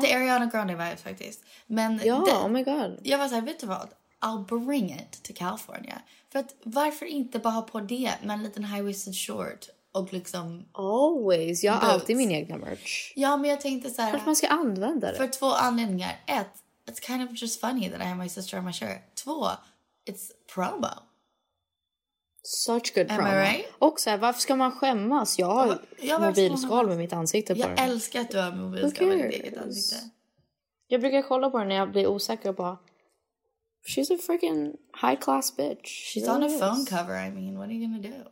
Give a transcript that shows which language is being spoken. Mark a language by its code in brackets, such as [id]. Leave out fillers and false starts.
[sv] Lite Ariana Grande vibes faktiskt. Men ja, det, [en] oh my god. [sv] Jag var så här, vet du vad? [en] I'll bring it to California. [sv] För att varför inte bara ha på det med en liten high-waisted short? Och liksom... [en] Always. [sv] Jag har boots. Alltid min egna merch. Ja, men jag tänkte så här... Kanske man ska använda det. För två anledningar. Ett, [en] it's kind of just funny that I have my sister on my shirt. [sv] Två, [en] it's promo. Such good promo. Am I right? [sv] Och så här, varför ska man skämmas? Jag har mobilskal med mitt ansikte på jag den. Jag älskar att du har mobilskal med ditt ansikte. Jag brukar kolla på den när jag blir osäker på... [en] She's a freaking high class bitch. She's really on a phone cover. I mean, what are you gonna do?